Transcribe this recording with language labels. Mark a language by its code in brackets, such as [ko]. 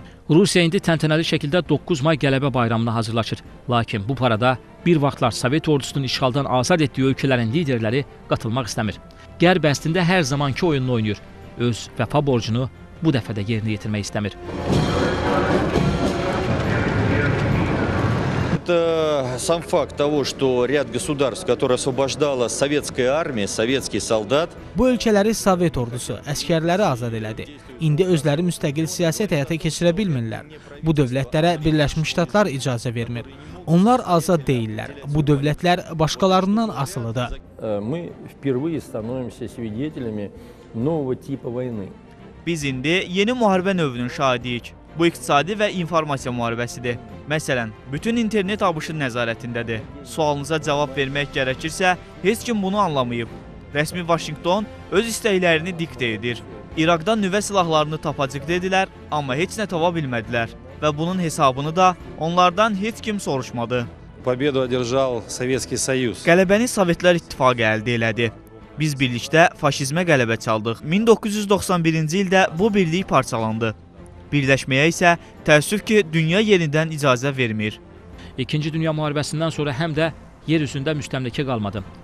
[az] Rusiya indi təntənəli şəkildə 9 may qələbə bayramını hazırlaşır. Lakin bu parada bir vaxtlar Sovet ordusunun işğaldan azad etdiyi ölkələrin liderləri qatılmaq istəmir. Qərb əslində hər zamanki oyununu oynayır. Öz vəfa borcunu bu dəfə də yerinə yetirmək istəmir. [ru] Сам факт того, что ряд государств, которые освобождала советская армия, советский солдат, [az] bu ölkələri Sovet ordusu əskərləri azad elədi. İndi özləri müstəqil siyasət həyata keçirə bilmirlər. Bu dövlətlərə Birləşmiş Ştatlar icazə vermir. Onlar azad deyillər. Bu dövlətlər başqalarından asılıdır. [ru] Мы впервые становимся свидетелями нового типа войны. [az] Biz indi yeni müharibə növünün şahidiyik. Bu, iqtisadi və informasiya müharibəsidir. Məsələn, bütün internet ABŞ-ın nəzarətindədir. Sualınıza cavab vermək gərəkirsə, heç kim bunu anlamayıb. Rəsmi Vaşinqton öz istəklərini diktə edir. İraqdan nüvə silahlarını tapacaq dedilər, amma heç nə tapa bilmədilər. Və bunun hesabını da onlardan heç kim soruşmadı. Qələbəni Sovetlər İttifaqı əldə elədi. Biz birlikdə faşizmə qələbə çaldıq. 1991-ci ildə bu birlik parçalandı. Birləşməyə isə təəssüf ki, dünya yenidən icazə vermir. İkinci Dünya Müharibəsindən sonra həm də yer üzündə müstəmləkə qalmadı.